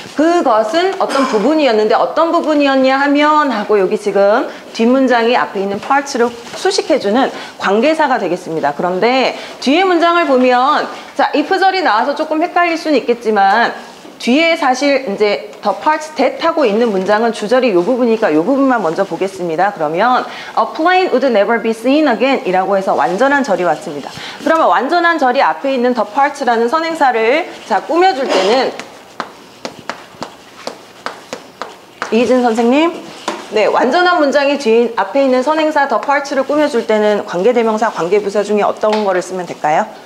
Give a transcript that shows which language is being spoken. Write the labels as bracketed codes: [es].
[ko] 그것은 어떤 부분이었는데 어떤 부분이었냐 하면 하고 여기 지금 뒷문장이 앞에 있는 parts로 수식해주는 관계사가 되겠습니다. 그런데 뒤에 문장을 보면 자, if절이 나와서 조금 헷갈릴 수는 있겠지만 뒤에 사실 이제 the parts that 하고 있는 문장은 주절이 이 부분이니까 이 부분만 먼저 보겠습니다. 그러면 [en] a plane would never be seen again [ko] 이라고 해서 완전한 절이 왔습니다. 그러면 완전한 절이 앞에 있는 the parts라는 선행사를 자 꾸며줄 때는 이진 선생님 네, 완전한 문장이 뒤인 앞에 있는 선행사 the parts를 꾸며줄 때는 관계대명사, 관계부사 중에 어떤 거를 쓰면 될까요?